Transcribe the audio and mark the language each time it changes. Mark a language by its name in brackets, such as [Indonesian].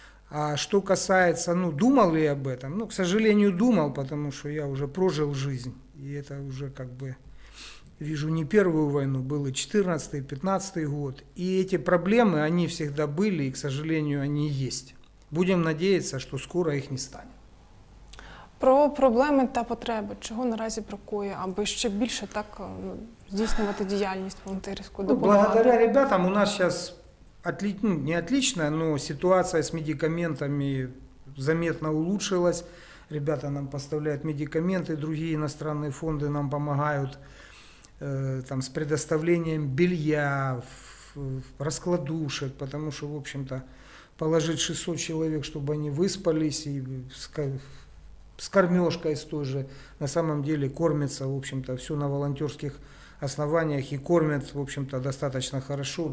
[Russian] А что касается, ну, думал ли я об этом? Ну, к сожалению, думал, потому что я уже прожил жизнь. И это уже, как бы, вижу не первую войну, был и 14-й, 15-й год. И эти проблемы, они всегда были, и, к сожалению, они есть. Будем надеяться, что скоро их не станет. [Ukrainian] Про проблеми та потреби, чого наразі бракує, аби ще більше так здійснювати діяльність волонтерську допомогу? [Russian] Благодаря ребятам у нас сейчас... не отличная, но ситуация с медикаментами заметно улучшилась. Ребята нам поставляют медикаменты, другие иностранные фонды нам помогают там, с предоставлением белья, раскладушек, потому что, в общем-то, положить 600 человек, чтобы они выспались, и с кормежкой с той же, на самом деле кормится, в общем-то, все на волонтерских основаниях и кормят, в общем-то, достаточно хорошо.